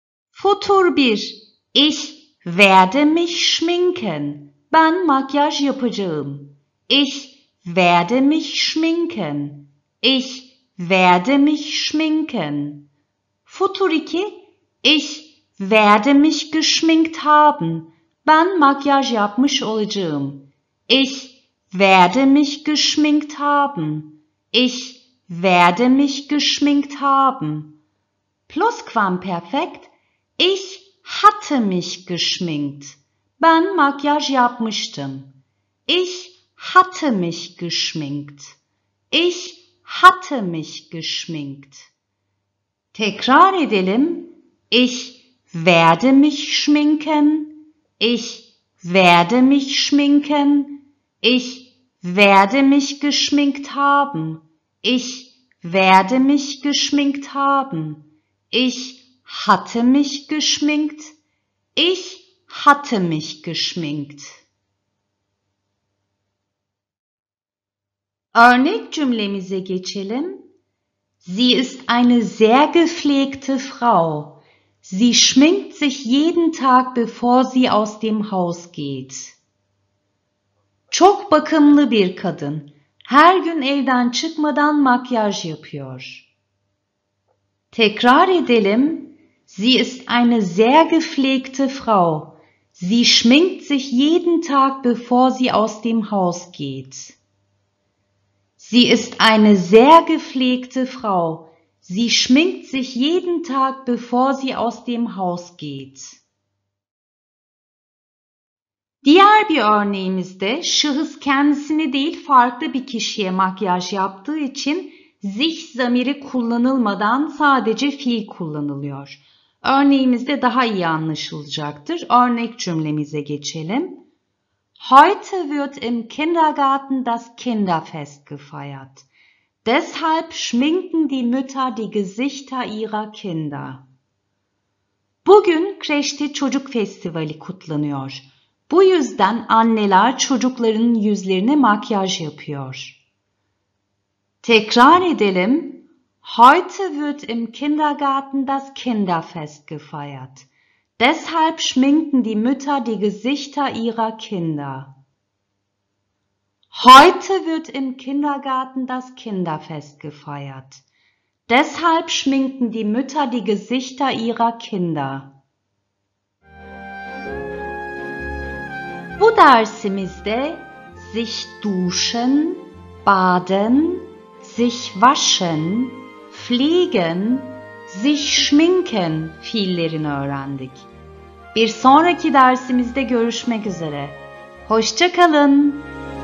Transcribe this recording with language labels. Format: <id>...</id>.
<de>Futur 1. Ich werde mich schminken.</de> <tr>Ben makyaj yapacağım.</tr> <de>Ich werde mich schminken. Ich werde mich schminken. Futur 2. Ich werde mich geschminkt haben.</de> <tr>Ben makyaj yapmış olacağım.</tr> <de>Ich werde mich geschminkt haben. Ich werde mich geschminkt haben. Plusquamperfekt. Ich hatte mich geschminkt.</de> <tr>Ben makyaj yapmıştım.</tr> <de>Ich hatte mich geschminkt. Ich hatte mich geschminkt.</de> <tr>Tekrar edelim.</tr> <de>Ich werde mich schminken. Ich werde mich schminken. Ich werde mich geschminkt haben. Ich werde mich geschminkt haben. Ich hatte mich geschminkt. Ich hatte mich geschminkt.</de> <tr>Örnek cümlemize geçelim.</tr> <de>Sie ist eine sehr gepflegte Frau. Sie schminkt sich jeden Tag, bevor sie aus dem Haus geht.</de> <tr>Çok bakımlı bir kadın. Her gün evden çıkmadan makyaj yapıyor. Tekrar edelim.</tr> <de>Sie ist eine sehr gepflegte Frau. Sie schminkt sich jeden Tag, bevor sie aus dem Haus geht. Sie ist eine sehr gepflegte Frau. Sie schminkt sich jeden Tag, bevor sie aus dem Haus geht.</de> <tr>Diğer bir örneğimizde şahıs kendisini değil farklı bir kişiye makyaj yaptığı için sich zamiri kullanılmadan sadece fiil kullanılıyor. Örneğimizde daha iyi anlaşılacaktır. Örnek cümlemize geçelim.</tr> <de>Heute wird im Kindergarten das Kinderfest gefeiert. Deshalb schminken die Mütter die Gesichter ihrer Kinder.</de> <tr>Bugün kreşte çocuk festivali kutlanıyor. Bu yüzden anneler çocukların yüzlerine makyaj yapıyor. Tekrar edelim.</tr> <de>Heute wird im Kindergarten das Kinderfest gefeiert. Deshalb schminken die Mütter die Gesichter ihrer Kinder. Heute wird im Kindergarten das Kinderfest gefeiert. Deshalb schminken die Mütter die Gesichter ihrer Kinder.</de> <tr>Bu dersimizde sich duschen, baden, sich waschen, pflegen, sich schminken fiillerini öğrendik. Bir sonraki dersimizde görüşmek üzere. Hoşça kalın.</tr>